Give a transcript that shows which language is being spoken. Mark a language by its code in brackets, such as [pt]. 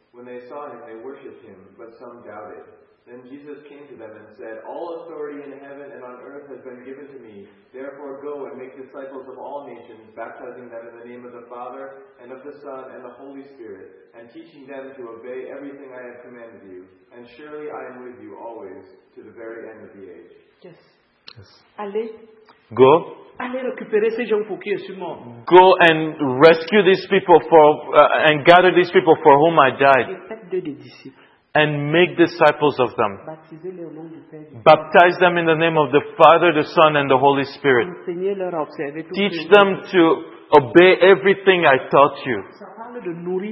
[en] When they saw him, they worshipped him, but some doubted. Then Jesus came to them and said, "All authority in heaven and on earth has been given to me. Therefore go and make disciples of all nations, baptizing them in the name of the Father, and of the Son, and the Holy Spirit, and teaching them to obey everything I have commanded you. And surely I am with you always, to the very end of the age." Yes. Yes. [fr] Allez. [en] Go. [fr] Allez récupérer ces gens pour qui je suis mort. [en] Go and rescue these people and gather these people for whom I died. And make disciples of them. Baptize them in the name of the Father, the Son, and the Holy Spirit. Teach them to obey everything I taught you.